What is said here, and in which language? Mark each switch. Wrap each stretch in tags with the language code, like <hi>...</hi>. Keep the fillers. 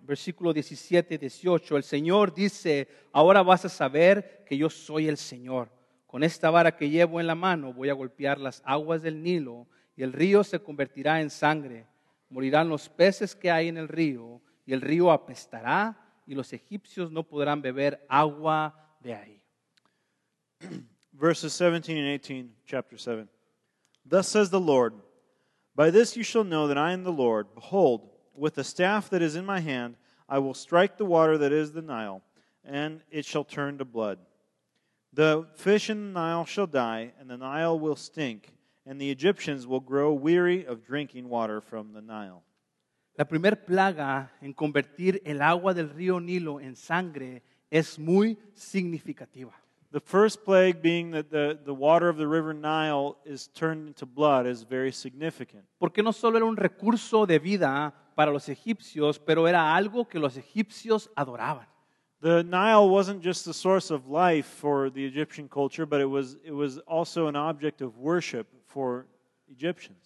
<es>Versículo 17-18, el Señor dice, ahora vas a saber que yo soy el Señor. Con esta vara que llevo en la mano voy a golpear las aguas del Nilo, y el río se convertirá en sangre morirán los peces que hay en el río, y el río apestará, y los egipcios no podrán beber agua de ahí.</es> <en>Verses 17 and 18, chapter 7. Thus says the Lord, By this you shall know that I am the Lord. Behold, with the staff that is in my hand, I will strike the water that is the Nile, and it shall turn to blood. The fish in the Nile shall die, and the Nile will stink and the Egyptians will grow weary of drinking water from the Nile.</en> <es>La primera plaga en convertir el agua del río Nilo en sangre es muy significativa.</es> <en>The first plague being that the, the water of the river Nile is turned into blood is very significant.</en> <es>Porque no solo era un recurso de vida para los egipcios, pero era algo que los egipcios adoraban.</es> <en>The Nile wasn't just the source of life for the Egyptian culture, but it was, it was also an object of worship for Egyptians.</en>